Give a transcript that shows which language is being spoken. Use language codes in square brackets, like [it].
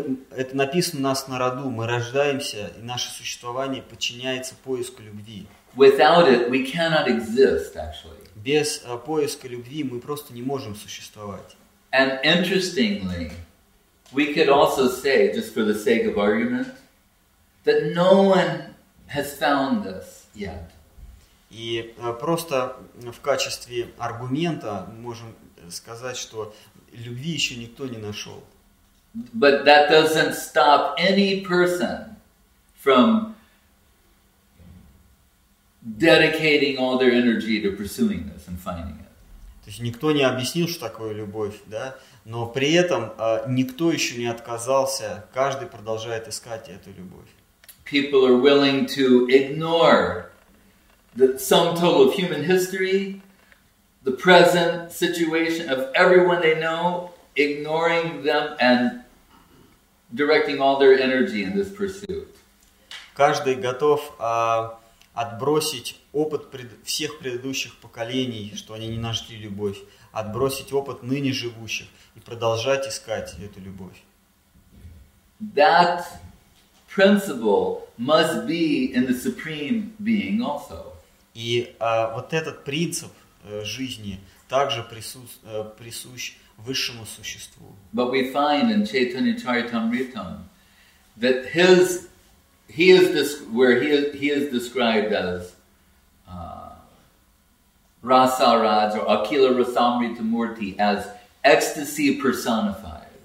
[ru] Это написано у нас на роду. Мы рождаемся, и наше существование подчиняется поиску любви. [en] Without it, we cannot exist, actually. [ru] Без поиска любви мы просто не можем существовать. [en] And interestingly, we could also say, just for the sake of argument, that no one has found this yet. [ru] И просто в качестве аргумента можем сказать, что любви еще никто не нашел. [en] But that doesn't stop any person from dedicating all their energy to pursuing this and finding it. [ru] То есть никто не объяснил, что такое любовь, да? Но при этом никто еще не отказался, каждый продолжает искать эту любовь. [en] People are willing to ignore the sum total of human history, the present situation of everyone they know, ignoring them and directing all their energy in this pursuit. [ru] Каждый готов отбросить опыт всех предыдущих поколений, что они не нашли любовь, отбросить опыт ныне живущих и продолжать искать эту любовь. [en] That principle must be in the Supreme Being also. [ru] И вот этот принцип жизни также присущ высшему существу. [en] But we find in Chaitanya Charitamritam that he is described as Rasa Raj or Akila Rasamrita Murti as ecstasy personified.